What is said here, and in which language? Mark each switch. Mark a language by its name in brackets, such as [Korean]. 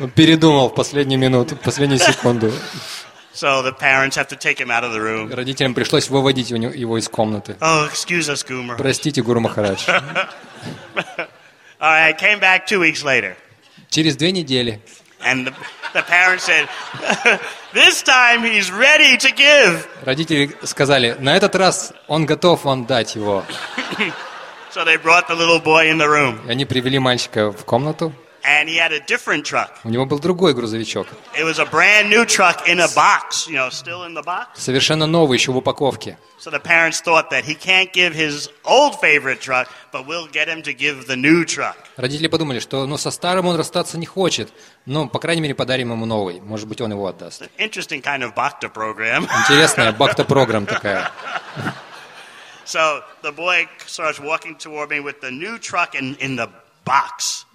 [Russian] Он передумал в последнюю минуту, в последнюю секунду. [English] So the parents have to take him out of the room. [Russian] Родителям пришлось выводить его из комнаты. [English] Oh, excuse us, Guru Maharaj. [Russian] Простите, Гуру Махарадж. [English] All right, I came back 2 weeks later. [Russian] Через две недели. [English] And the parents said, "This time he's ready to give." [Russian] Родители сказали: "На этот раз он готов вам дать его." [English] So they brought the little boy in the room. [Russian] Они привели мальчика в комнату. [English] And he had a different truck. [Russian] У него был другой грузовичок. [English] It was a brand new truck in a box, you know, still in the box. [Russian] Совершенно новый, еще в упаковке. [English] So the parents thought that he can't give his old favorite truck, but we'll get him to give the new truck. [Russian] Родители подумали, что, ну, со старым он расстаться не хочет, но по крайней мере подарим ему новый, может быть, он его отдаст. [English] Interesting kind of Bhakta program. [Russian] Интересная Бхакта программа такая. [English] So the boy starts walking toward me with the new truck in the box.